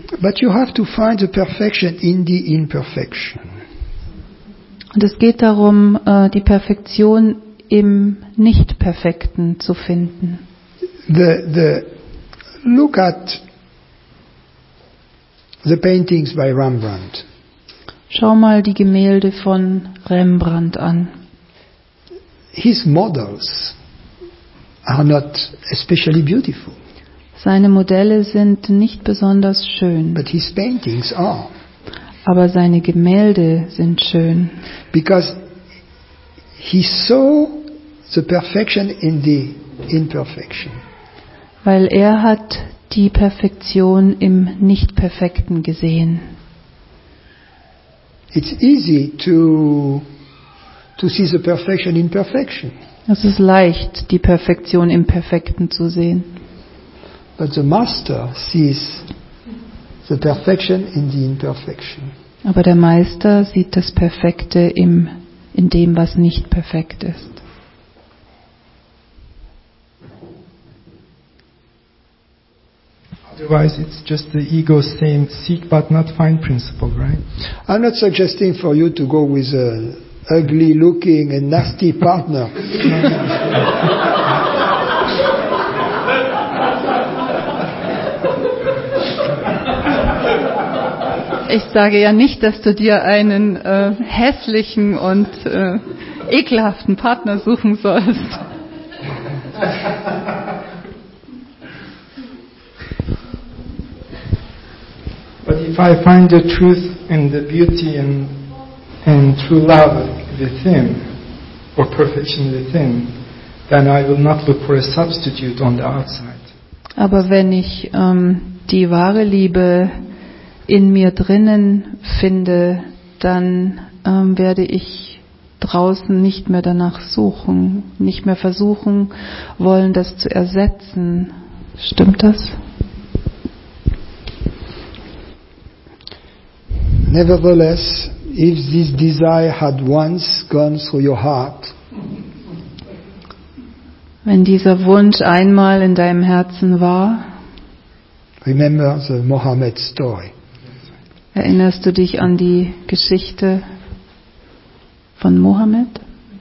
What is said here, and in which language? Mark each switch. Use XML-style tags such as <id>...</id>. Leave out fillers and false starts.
<en>But you have to find the perfection in the imperfection.</en> <de>Und es geht darum, die Perfektion im Nicht-Perfekten zu finden.</de> <en>The look at the paintings by Rembrandt.</en> <de>Schau mal die Gemälde von Rembrandt an.</de> <en>His models are not especially beautiful.</en> <de>Seine Modelle sind nicht besonders schön.</de> <en>But his paintings are.</en> <de>Aber seine Gemälde sind schön.</de> <en>Because he saw the perfection in the imperfection.</en> <de>Weil er hat die Perfektion im Nicht-Perfekten gesehen.</de> <en>It's easy to see the perfection in perfection.</en> <de>Es ist leicht, die Perfektion im Perfekten zu sehen.</de> <en>But the master sees the perfection in the imperfection.</en> <de>Aber der Meister sieht das Perfekte in dem, was nicht perfekt ist.</de> <en>Otherwise, it's just the ego saying seek but not find principle, right? I'm not suggesting for you to go with an ugly looking and nasty partner.</en> <de>Ich sage ja nicht, dass du dir einen hässlichen und ekelhaften Partner suchen sollst.</de> <en>But if I find the truth and the beauty and true love within, or perfection within, then I will not look for a substitute on the outside.</en> <de>Aber wenn ich die wahre Liebe in mir drinnen finde, dann werde ich draußen nicht mehr danach suchen, nicht mehr versuchen wollen, das zu ersetzen. Stimmt das?</de> <en>Nevertheless, if this desire had once gone through your heart,</en> <de>wenn dieser Wunsch einmal in deinem Herzen war,</de> <en>remember the Mohammed story.</en> <de>Erinnerst du dich an die Geschichte von Mohammed?</de>